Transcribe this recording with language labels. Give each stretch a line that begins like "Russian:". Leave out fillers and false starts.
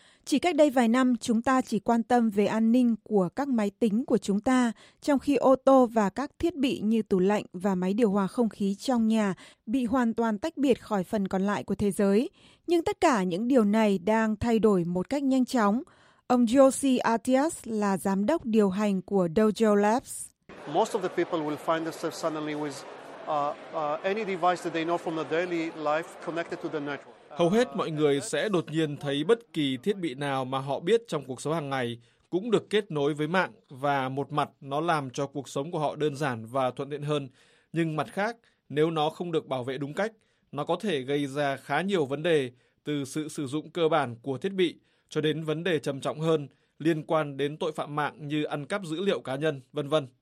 Vietnamese: Chỉ cách đây vài năm, chúng ta chỉ quan tâm về an ninh của các máy tính của chúng ta, trong khi ô tô và các thiết bị như tủ lạnh và máy điều hòa không khí trong nhà bị hoàn toàn tách biệt khỏi phần còn lại của thế giới. Nhưng tất cả những điều này đang thay đổi một cách nhanh chóng. Ông Josie Atias là giám đốc điều hành của Dojo Labs.
English: Most of the people will find themselves suddenly with any device that they know from their daily life connected to the network.
Vietnamese: Hầu hết mọi người sẽ đột nhiên thấy bất kỳ thiết bị nào mà họ biết trong cuộc sống hàng ngày cũng được kết nối với mạng, và một mặt nó làm cho cuộc sống của họ đơn giản và thuận tiện hơn. Nhưng mặt khác, nếu nó không được bảo vệ đúng cách, nó có thể gây ra khá nhiều vấn đề, từ sự sử dụng cơ bản của thiết bị cho đến vấn đề trầm trọng hơn liên quan đến tội phạm mạng như ăn cắp dữ liệu cá nhân, v.v.